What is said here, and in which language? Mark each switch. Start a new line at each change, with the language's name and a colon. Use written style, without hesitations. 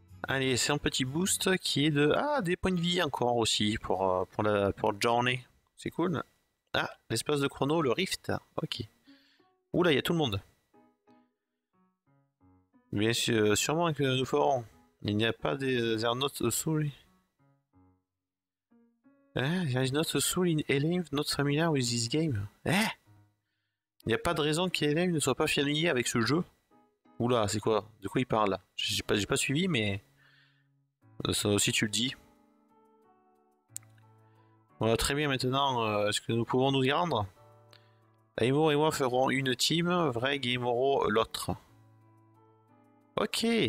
French: Allez, c'est un petit boost qui est de. Ah, des points de vie encore aussi pour Journey. C'est cool. Ah, l'espace de chrono, le rift. Ok. Oula, il y a tout le monde. Bien sûr, sûrement que nous ferons. Il n'y a pas des notes sous lui.
English: There is not a soul in Helheim not familiar with this game.
French: Il n'y a pas de raison qu'Helheim ne soit pas familier avec ce jeu. Oula, c'est quoi? De quoi il parle là? J'ai pas suivi, mais. Ça aussi tu le dis. Voilà, très bien maintenant, est-ce que nous pouvons nous y rendre? Aimo et moi ferons une team, Vreg et Moro l'autre. Ok!